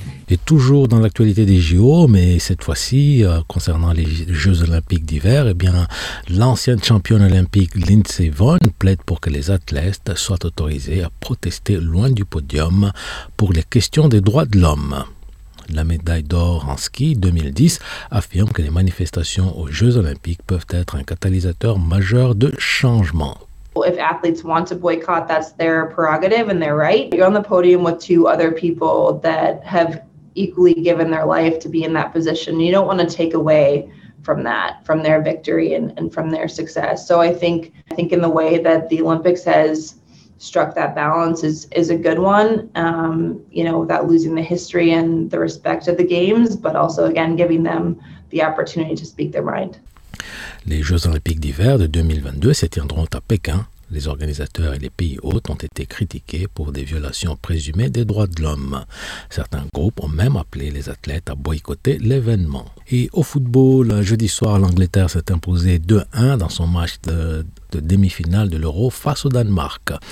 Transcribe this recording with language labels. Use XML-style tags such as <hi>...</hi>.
<fr>Et toujours dans l'actualité des JO, mais cette fois-ci concernant les Jeux Olympiques d'hiver, eh bien, l'ancienne championne olympique Lindsey Vonn plaide pour que les athlètes soient autorisés à protester loin du podium pour les questions des droits de l'homme. La médaille d'or en ski 2010 affirme que les manifestations aux Jeux Olympiques peuvent être un catalyseur majeur de changement.</fr> <en>If athletes want to boycott, that's their prerogative and their right. You're on the podium with two other people that have equally given their life to be in that position. You don't want to take away from that, from their victory and from their success. So I think in the way that the Olympics has struck that balance is a good one, you know, without losing the history and the respect of the games, but also, again, giving them the opportunity to speak their mind.</en> <fr>Les Jeux olympiques d'hiver de 2022 se tiendront à Pékin. Les organisateurs et les pays hôtes ont été critiqués pour des violations présumées des droits de l'homme. Certains groupes ont même appelé les athlètes à boycotter l'événement. Et au football, jeudi soir, l'Angleterre s'est imposée 2-1 dans son match de demi-finale de l'Euro face au Danemark.</fr>